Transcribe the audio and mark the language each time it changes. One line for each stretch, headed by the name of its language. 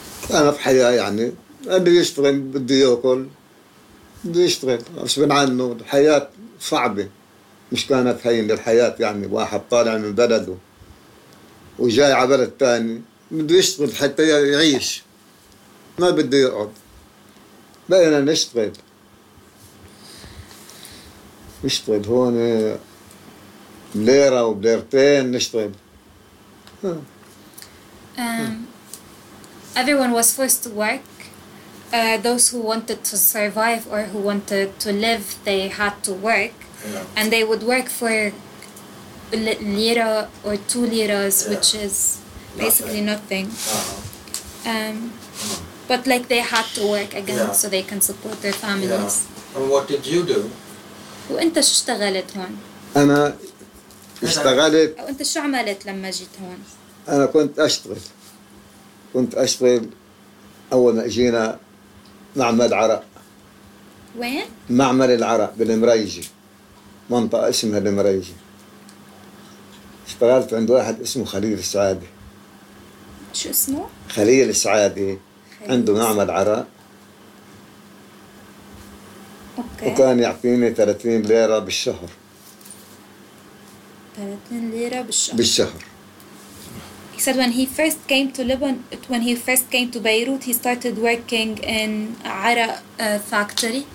Arabic: انا في حياة يعني بدي اشتغل بدي اكل بدي اشتغل بس بنعنوا الحياة صعبة مش كانت هين للحياة يعني واحد طالع من بلده وجاي على بلد تاني بده يشتغل حتى يعيش ما بده يقعد بقينا نشتغل نشتغل هون ليرة وبليرتين نشتغل
English: everyone was forced to work those who wanted to survive or who wanted to live they had to work yeah. and they would work for lira or 2 liras yeah. which is basically nothing uh-huh. But like they had to work again yeah. so they can support their families yeah. and what did you do?
Arabic: وانت شو اشتغلت هون؟ انا اشتغلت او انت شو عملت لما جيت هون؟ انا كنت اشتغل كنت اشتغل اول ما اجينا معمل عرق وين؟ معمل العرق بالمريجي منطقة اسمها المريجي اشتغلت عند واحد اسمه خليل السعادي شو اسمه؟ خليل السعادي عنده معمل عرق اوكي وكان يعطيني 30 ليرة بالشهر 30 ليرة بالشهر
English: He said when he first came to Lebanon when he first came to Beirut he started working in عرق factory